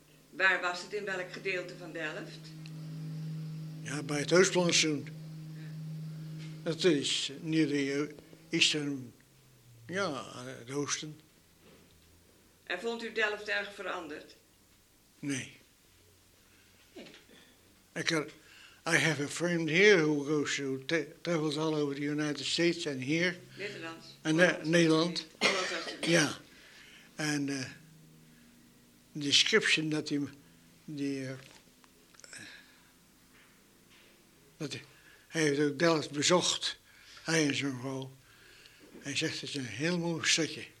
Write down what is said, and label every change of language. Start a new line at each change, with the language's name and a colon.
Dutch: Waar was het, in welk gedeelte van Delft? Ja, bij het Oostplantsoen. Het is
English: near the eastern,
Dutch: ja, het oosten. En vond u Delft erg veranderd? Nee.
English: I have a friend here who goes to travels all over the United States and here.
Dutch: Nederland.
English: And Nederland.
Dutch: Nederland. Ja.
English: And description that he,
Dutch: dat hij heeft ook Delft bezocht, hij en zijn vrouw. Hij zegt, het is een heel mooi stadje.